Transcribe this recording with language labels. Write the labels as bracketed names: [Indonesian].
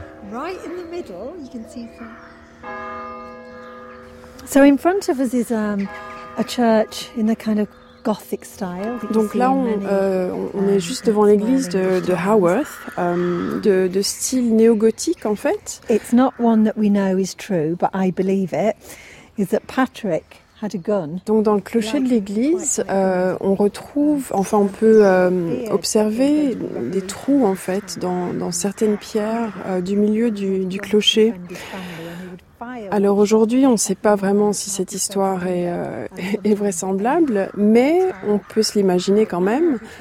[English] Right in the middle, you can see some. So in front of us is a church in the kind of Gothic style. [French] Donc là, on est juste devant l'église de Haworth, de style néo-gothique en fait. [English] It's not one that we know is true, but I believe it. Is that Patrick had a gun? [French] Donc dans le clocher de l'église, on retrouve, enfin, on peut observer des trous en fait dans certaines pierres du milieu du clocher. Alors aujourd'hui, on ne sait pas vraiment si cette histoire est vraisemblable, mais on peut se l'imaginer quand même.